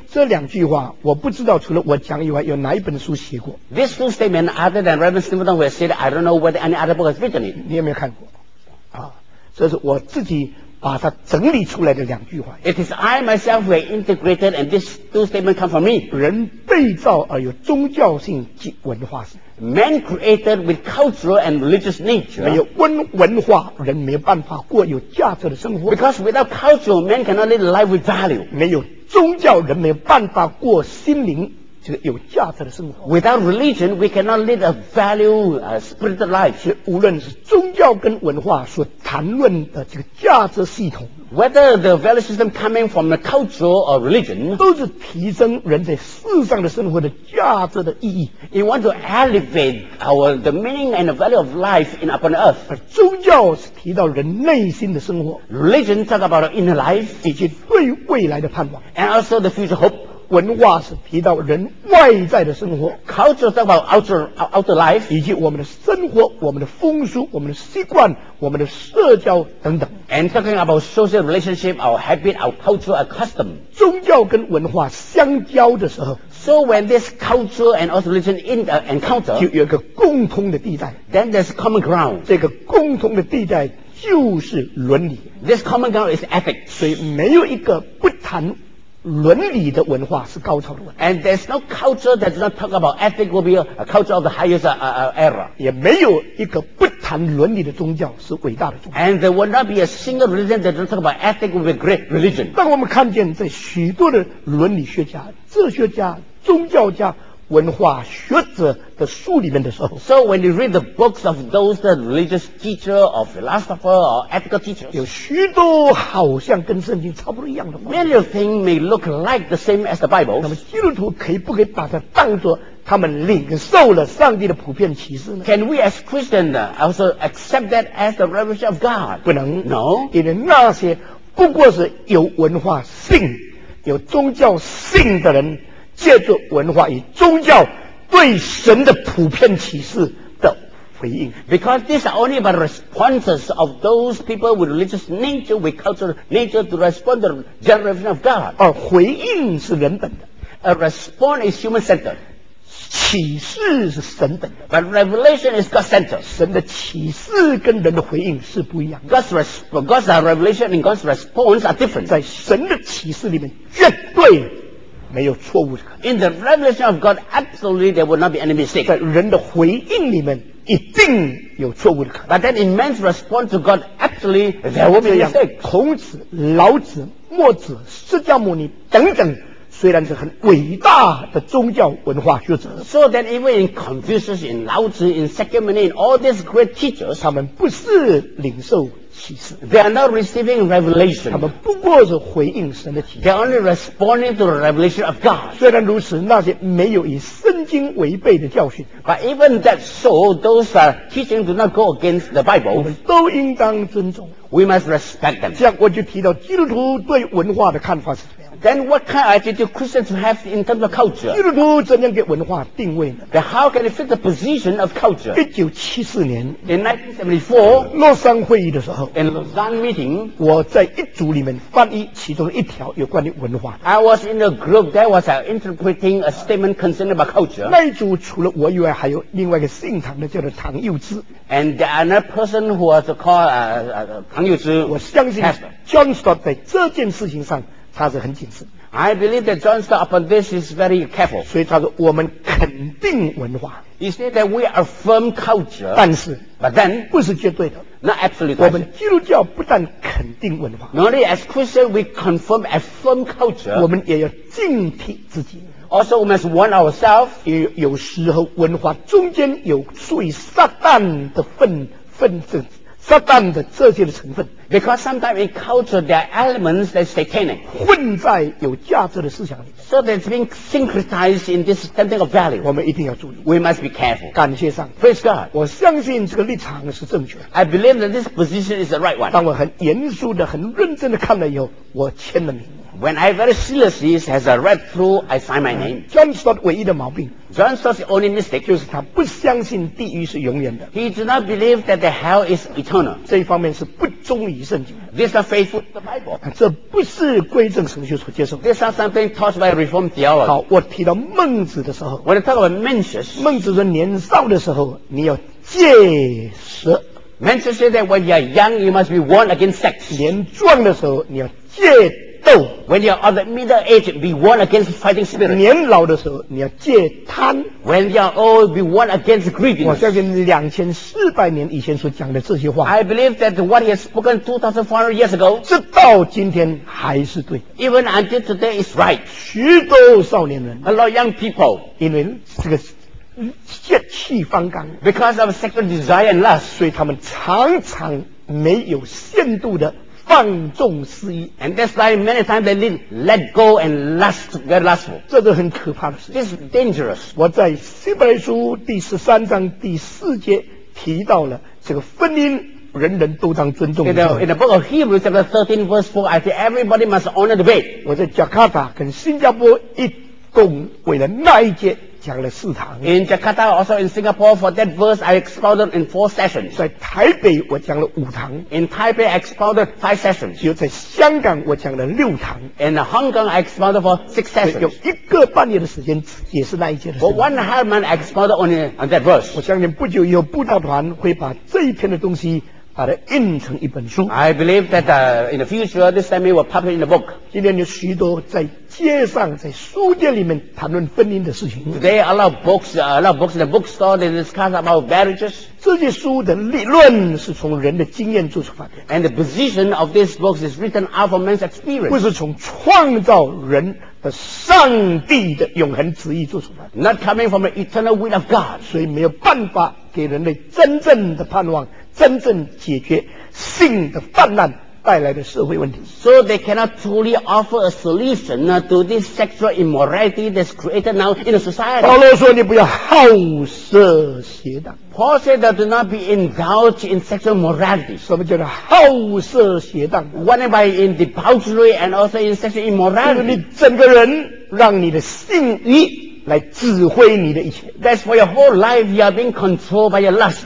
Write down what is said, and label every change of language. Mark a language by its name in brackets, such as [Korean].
[Chinese] 这两句话我不知道除了我讲以外有哪一本书写过。 [English] These two statements other than Reverend Stephen Dunn said, I don't know whether any other book has written it. [Chinese] 你有没有看过？这是我自己把它整理出来的两句话。 [English] It is I myself who integrated, and these two statements come from me. [Chinese] 人被造而有宗教性及文化性。 [English] Man created with cultural and religious nature. [Chinese] 没有文化，人没办法过有价值的生活。 [English] Because without culture, man cannot live a life with value. [Chinese] 没有宗教，人没办法过心灵这个有价值的生活。 [English] Without religion, we cannot lead a value, spiritual life. [Chinese] 所以无论是宗教跟文化所谈论的这个价值系统， [English] whether the value system coming from the culture or religion, [Chinese] 都是提升人在世上的生活的价值的意义。 [English] We want to elevate the meaning and the value of life upon earth. [Chinese] 而宗教是提到人内心的生活。 [English] Religion talk about inner life, [Chinese] 以及对未来的盼望。 [English] And also the future hope. [Chinese] 文化是提到人外在的生活， [English] culture is about outer life， [Chinese] 以及我们的生活、我们的风俗、我们的习惯、我们的社交等等。 [English] And talking about social relationship, our habit, our culture, our custom， [Chinese] 宗教跟文化相交的时候， [English] So when this culture and also religion in the encounter， [Chinese] 就有一个共通的地带， [English] Then there's common ground。 [Chinese] 这个共通的地带就是伦理， [English] This common ground is ethics。 [Chinese] 所以没有一个不谈伦理的文化是高超的文化。 [English] And there's no culture that does not talk about ethic will be a culture of the highest era. [Chinese] 也没有一个不谈伦理的宗教是伟大的宗教。 [English] And there will not be a single religion that does not talk about ethic will be a great religion. [Chinese] 当我们看见在许多的伦理学家、哲学家、宗教家、文化学者的书里面的时候 [English] So when you read the books of those the religious teacher or philosopher or ethical teachers [Chinese] 有许多好像跟圣经差不多一样的 [English] Many things may look like the same as the Bible [Chinese] 那么基督徒可以不可以把它当作他们领受了上帝的普遍启示呢 [English] Can we as Christian also accept that as the revelation of God [Chinese] 不能 [English] No [Chinese] 因为那些不过是有文化性有宗教性的人借助文化与宗教对神的普遍启示的回应 [English] Because these are only about responses of those people with religious nature with cultural nature to respond to the generation of God [Chinese] 而回应是人本的 [English] A response is human-centered [Chinese] 启示是神本的 [English] But revelation is God-centered [Chinese] 神的启示跟人的回应是不一样 [English] God's revelation and God's response are different [Chinese] 在神的启示里面绝对没有错误的可能。 [English] In the revelation of God, absolutely there will not be any mistake. [Chinese] 在人的回应里面，一定有错误的可能。 [English] But then in man's response to God, absolutely there will be mistake. [Chinese] 孔子、老子、墨子、释迦牟尼等等，虽然是很伟大的宗教文化学者。 [English] So then even in Confucius, in 老子、in 释迦牟尼、in all these great teachers, [Chinese] 他们不是领受。 [English] They are not receiving revelation. [Chinese] 他们不过是回应神的启示。 [English] They are only responding to the revelation of God. [Chinese] 虽然如此，那些没有以圣经违背的教训。 [English] But even that so, those are teaching do not go against the Bible. [Chinese] 我们都应当尊重。 [English] We must respect them. [Chinese] 这样我就提到基督徒对文化的看法是什么。 [English] Then what kind of attitude Christians have in terms of culture? [Chinese] 基督徒怎样给文化定位呢 [English] Then how can it fit the position of culture? [Chinese] 1974年 [English] In 1974 [Chinese] 洛桑会议的时候 [English] In Lausanne meeting [Chinese] 我在一组里面翻译其中一条有关于文化 [English] I was in a group that was interpreting a statement concerned about culture [Chinese] 那一组除了我以外还有另外一个姓唐的叫做唐佑之 [English] And there another person who was called 唐佑之 [Chinese] 我相信 John Stott 在这件事情上他是很谨慎 [English] I believe that John Stott upon this is very careful [Chinese] 所以他说我们肯定文化 [English] He said that we affirm culture [Chinese] 但是 [English] But then [Chinese] 不是绝对的 [English] Not absolutely [Chinese] 我们基督教不但肯定文化 [English] Not only as Christian we confirm affirm culture [Chinese] 我们也要警惕自己 [English] Also we must warn ourselves [Chinese] 也有时候文化中间有属于撒旦的分子撒旦的这些的成分 [English] Because sometimes in culture there are elements that are satanic [Chinese] 混在有价值的思想里 [English] So that's being syncretized in this something of value [Chinese] 我们一定要注意 [English] We must be careful [Chinese] 感谢上 [English] Praise God [Chinese] 我相信这个立场是正确 [English] I believe that this position is the right one [Chinese] 当我很严肃的很认真的看了以后我签了名 [English] When I very seriously has a read through I sign my name [Chinese] John Stott 唯一的毛病 [English] John Stott's only mistake [Chinese] 就是他不相信地狱是永远的 [English] He does not believe that the hell is eternal [Chinese] 这一方面是不忠于圣经 [English] This is not faithful to the Bible [Chinese] 这不是归正神学所接受 [English] This is something taught by Reformed theology [Chinese] 好我提到孟子的时候 [English] When I talk about Mencius [Chinese] 孟子说年少的时候你要戒食 [English] Mencius said that when you are young you must be warned against sex [Chinese] 年壮的时候你要戒斗 [English] When you are of the middle age be warned against fighting spirit [Chinese] 年老的时候你要戒贪 [English] When you are old be warned against greediness [Chinese] 我相信2400年以前所讲的这些话 [English] I believe that what he has spoken 2400 years ago [Chinese] 直到今天还是对 [English] Even until today is right [Chinese] 许多少年人 [English] A lot of young people [Chinese] 因为这个血气方刚 [English] Because of sexual desire and lust [Chinese] 所以他们常常没有限度的放纵肆意 [English] and that's why many times they need let go and lust get lustful [Chinese] 这是很可怕的事 [English] this is dangerous [Chinese] 我在希伯来书第13章第4节提到了这个婚姻人人都当尊重 [English] in the book of Hebrews chapter 13 verse 4 I say everybody must honor the bed [Chinese] 我在加卡达跟新加坡一共为了那一节讲了四堂 [English] in Jakarta also in Singapore for that verse I expounded in 4 sessions [Chinese] 在台北我讲了五堂 [English] in Taipei I expounded 5 sessions [Chinese] 又在香港我讲了六堂 [English] in Hong Kong I expounded for 6 sessions [Chinese] 有一个半月的时间也是那一节的 [English] but one half month I expounded only on that verse [Chinese] 我相信不久以后布道团会把这一篇的东西把它印成一本书。 [English] I believe that in the future, this time it will publish in the book. [Chinese] 今天有许多在街上、在书店里面谈论婚姻的事情。 [English] Today, a lot of books, in the bookstore, they discuss about marriages. [Chinese] 这些书的理论是从人的经验做出发的。 [English] And the position of these books is written out from man's experience. [Chinese] 不是从创造人的上帝的永恒旨意做出发的。 [English] Not coming from the eternal will of God. [Chinese] 所以没有办法给人类真正的盼望。真正解决性的泛滥带来的社会问题。 [English] So they cannot truly offer a solution to this sexual immorality that's created now in a society. [Chinese] 保罗说你不要好色邪荡。 [English] Paul said that do not be indulged in sexual morality. [Chinese] 什么叫做好色邪荡？ [English] What about in debauchery and also in sexual immorality? [Chinese] 你整个人让你的性欲来指挥你的一切。 [English] That's for your whole life, you are being controlled by your lust.